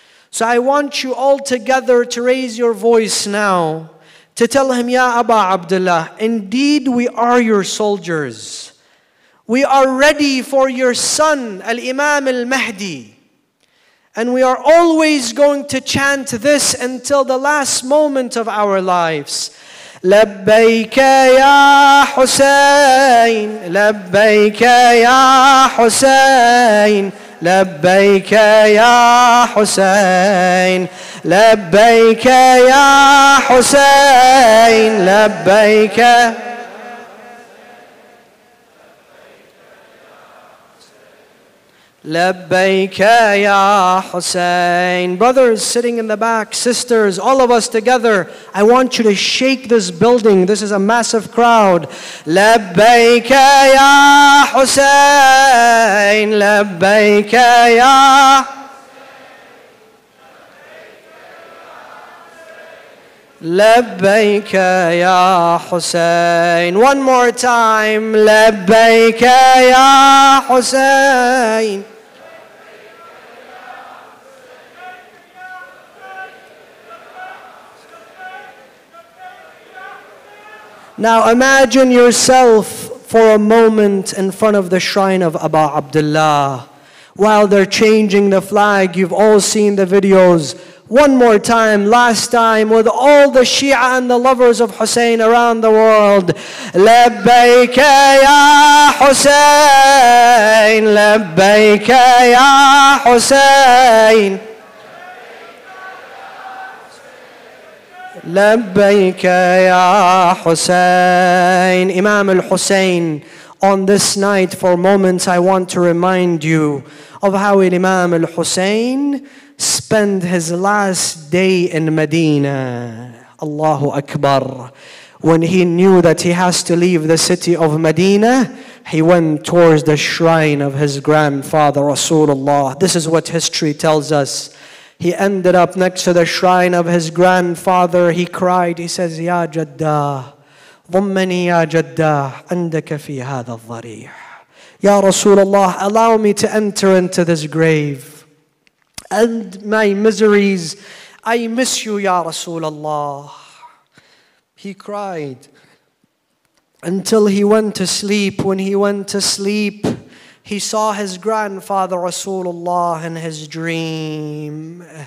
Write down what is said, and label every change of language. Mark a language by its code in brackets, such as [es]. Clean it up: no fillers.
[en] So I want you all together to raise your voice now to tell him, Ya Aba Abdullah, indeed we are your soldiers. We are ready for your son, Al-Imam Al-Mahdi. And we are always going to chant this until the last moment of our lives. [ar] لبيك يا حسين لبيك يا حسين لبيك يا حسين لبيك يا حسين لبيك لبيك يا حسين. [en] Brothers sitting in the back, sisters, all of us together, I want you to shake this building. This is a massive crowd. [ar] لبيك يا حسين لبيك يا لبيك يا حسين. [en] One more time. [ar] لبيك يا حسين [en] Now imagine yourself for a moment in front of the shrine of Aba Abdullah while they're changing the flag. You've all seen the videos. One more time, last time, with all the Shia and the lovers of Hussein around the world. [ar] لبيك يا حسين لبيك يا حسين لبيك يا حسين. [en] Imam al-Hussein, on this night for moments I want to remind you of how Imam al-Hussein spent his last day in Medina. Allahu Akbar. When he knew that he has to leave the city of Medina, he went towards the shrine of his grandfather Rasulullah. This is what history tells us. He ended up next to the shrine of his grandfather. He cried, he says, [ar] Ya Jaddah, ضمني يا جدّا عندك في هذا الضريح. [en] Ya Rasulullah, allow me to enter into this grave. End my miseries. I miss you, Ya Rasulullah. He cried until he went to sleep. When he went to sleep, he saw his grandfather Rasulullah in his dream.